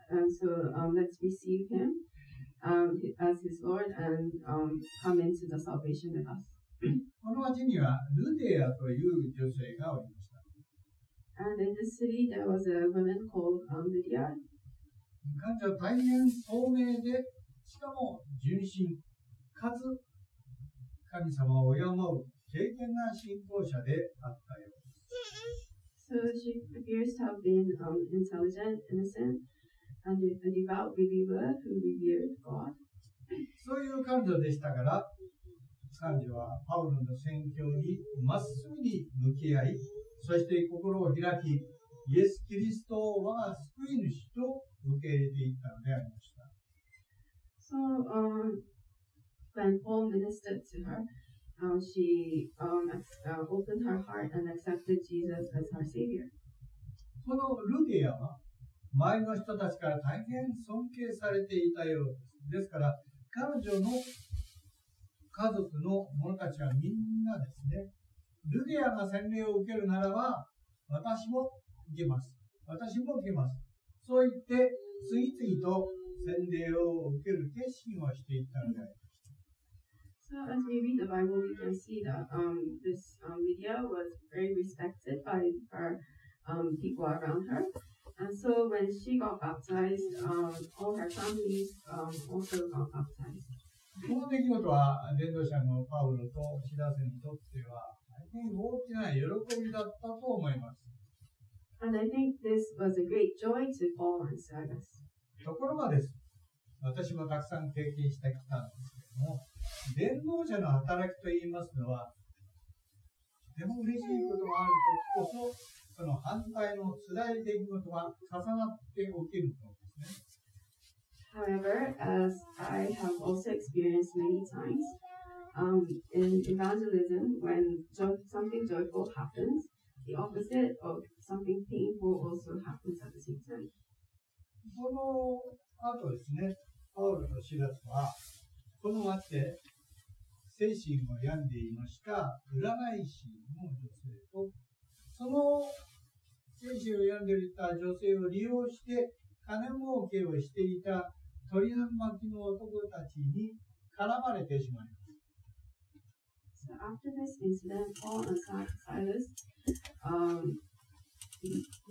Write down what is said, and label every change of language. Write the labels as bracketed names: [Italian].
[English] And so let's receive him as his Lord and come into the salvation of us. [Japanese] この町にはルデアという女性がおりました。 [English] And in this city, there was a woman called Lydia. [Japanese] 彼女は大変聡明で、しかも純真、かつ神様を敬う敬虔な信仰者であったようです。 [English] So she appears to have been intelligent, innocent, and a devout believer who revered God. [Japanese] そういう彼女でしたから、彼女はパウロの宣教にまっすぐに向き合い、そして心を開き、イエス・キリストを我が救い主と受け入れていったのでありました。 [English] So, when Paul ministered to her, she opened her heart and accepted Jesus as her savior. [Japanese] このルディアは、周りの人たちから大変尊敬されていたようです。ですから、彼女の家族の者たちはみんなですね、ルディアが洗礼を受けるならば私も受けます、私も受けます、そう言って次々と洗礼を受ける決心をしていったのであります。 [English] So as we read the Bible, we can see that this Lydia was very respected by her people around her, and so when she got baptized, all her families also got baptized. [Japanese] この出来事は伝道者のパウロとシラスにとっては大きな喜びだったと思います。 [English] And I think this was a great joy to Paul and Silas. [Japanese] ところがです、私もたくさん経験してきたんですけども、伝道者の働きといいますのは、とても嬉しいことがあるときこそ、その反対の辛い出来事が重なって起きるのですね。 [English] However, as I have also experienced many times,in evangelism, when something joyful happens, the opposite of something painful also happens at the same time. [Japanese] この後ですね、パウロとシラスはこの町で精神を病んでいました占い師の女性と、その精神を病んでいた女性を利用して金儲けをしていた鳥巻の男たちに絡まれてしまいます。 [English] So after this incident, Paul and Silas, he